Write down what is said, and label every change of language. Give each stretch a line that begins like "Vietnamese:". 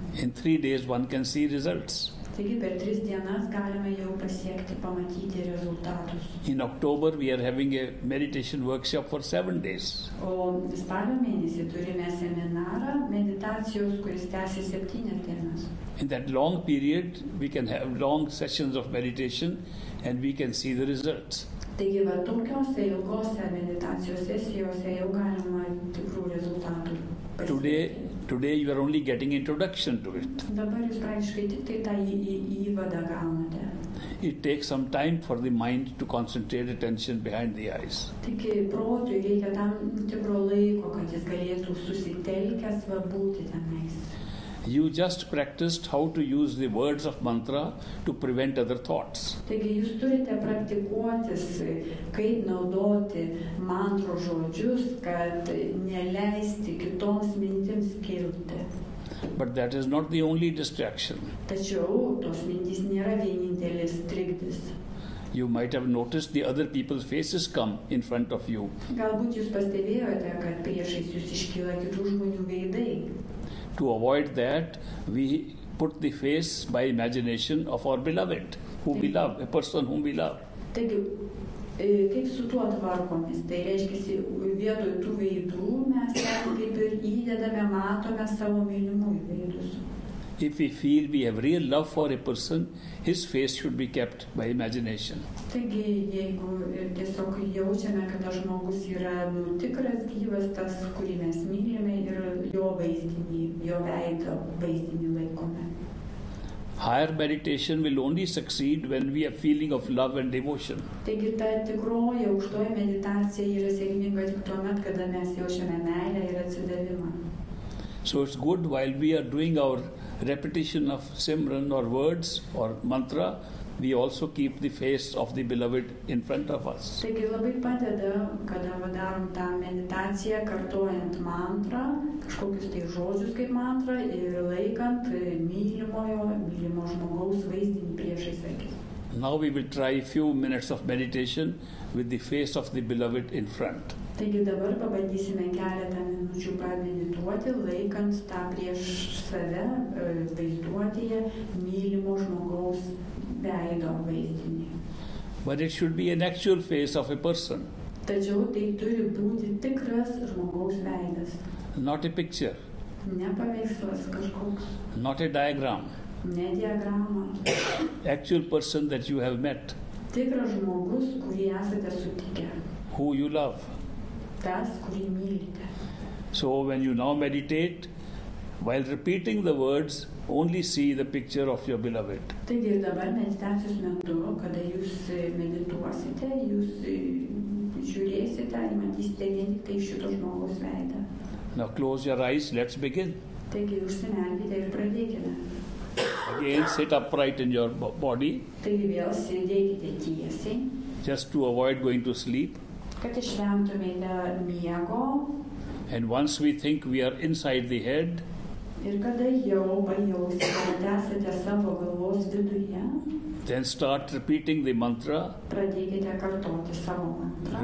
English: In 3 days one can see results.
Lithuanian: Taigi, per 3 dienas galime jau pasiekti, pamatyti rezultatus.
English: In October we are having a meditation workshop for 7 days.
Lithuanian: O spalio mėnesį turime seminarą meditacijos, kuris tęsia 7 dienas.
English: In that long period we can have long sessions of meditation and we can see the results.
Lithuanian: Taigi, va, tokiose ilgose meditacijos sesijose jau galima tikrų rezultatų pasiekti.
English: Today you are only getting introduction to it.
Lithuanian: Dabar jūs praktiškai tik tai tą įvadą gaunate.
English: It takes some time for the mind to concentrate attention behind the eyes.
Lithuanian: Taigi, protui reikia tam tikro laiko, kad jis galėtų susitelkęs va būti tenais.
English: You just practiced how to use the words of mantra to prevent other thoughts.
Lithuanian: Taigi, jūs turite praktikuotis, kaip naudoti mantros žodžius, kad neleisti kitoms mintims kilti.
English: But that is not the only distraction.
Lithuanian: Tačiau tos mintys nėra vienintelis trikdis.
English: You might have noticed the other people's faces come in front of you.
Lithuanian: Galbūt jūs pastebėjote, kad priešais jūs iškyla kitų žmonių veidai.
English: To avoid that, we put the face by imagination of our beloved, whom we love, a person whom we love.
Lithuanian: Taigi, kaip su tuo tvarkomis? Tai reiškiasi, vietoj tų veidų mes kaip ir įdedame, matome savo mylimųjų veidus.
English: If we feel we have real love for a person, his face should be kept by imagination.
Lithuanian: Taigi, jeigu tiesiog jaučiame, kad žmogus yra tikras gyvas, tas, kurį mes mylime, ir jo vaizdinį, jo veidą vaizdinį laikome.
English: Higher meditation will only succeed when we have feeling of love and devotion.
Lithuanian: Taigi, ta tikroji aukštoji meditacija yra sėkminga tik tuomet, kada mes jaučiame meilę ir atsidavimą.
English: So it's good while we are doing our repetition of simran or words or mantra, we also keep the face of the beloved in front of us.
Lithuanian: Taigi, labai padeda, kada vadarom tą meditaciją, kartuojant mantrą, kažkokius tai žodžius kaip mantrą, ir laikant mylimo žmogaus vaizdinį priešais akis.
English: Now we will try a few minutes of meditation with the face of the beloved in front.
Lithuanian: Taigi, dabar pabandysime keletą minučių pamedituoti, laikant tą prieš save vaizduotėje mylimo žmogaus veido vaizdinį.
English: But it should be an actual face of a person.
Lithuanian: Tačiau tai turi būti tikras žmogaus veidas.
English: Not a picture.
Lithuanian: Ne paveikslas kažkoks.
English: Not a diagram.
Lithuanian: Ne diagrama.
English: Actual person that you have met.
Lithuanian: Tikras žmogus, kurį esate sutikę.
English: Who you love.
Lithuanian: Tas, kurį mylite.
English: So when you now meditate, while repeating the words, only see the picture of your beloved.
Lithuanian: Taigi, dabar meditacijos metu, kada jūs medituosite, jūs žiūrėsite ir matysite vien tik tai šito žmogaus veidą.
English: Now close your eyes, let's begin.
Lithuanian: Taigi, užsimerkite ir pradėkime.
English: Again, sit upright in your body.
Lithuanian: Taigi, vėl sėdėkite tiesiai.
English: Just to avoid going to sleep.
Lithuanian: Kad išvengtumėte miego.
English: And once we think we are inside the head,
Lithuanian: ir kada jau pajausite, esate savo galvos viduje,
English: then start repeating the mantra,
Lithuanian: pradėkite kartoti savo mantrą,